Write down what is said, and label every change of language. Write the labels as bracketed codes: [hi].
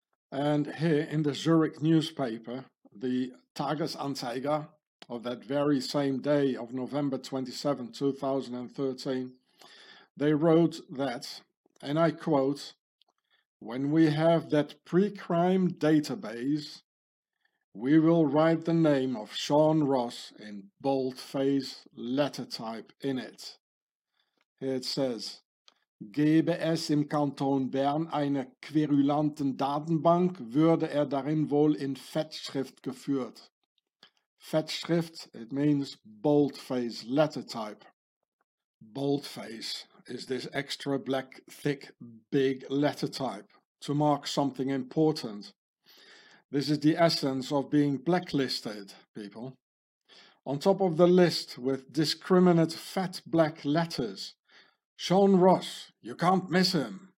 [en] And here in the Zurich newspaper, the Tagesanzeiger of that very same day of November 27, 2013, they wrote that, and I quote, when we have that pre-crime database, We will write the name of Sean Ross in boldface letter type in it. It says, [de] gäbe es im Kanton Bern eine querulanten Datenbank, würde darin wohl in Fettschrift geführt. [en] Fettschrift, it means boldface letter type. Boldface is this extra black, thick, big letter type to mark something important. This is the essence of being blacklisted, people. On top of the list with discriminate fat black letters, Sean Ross, you can't miss him.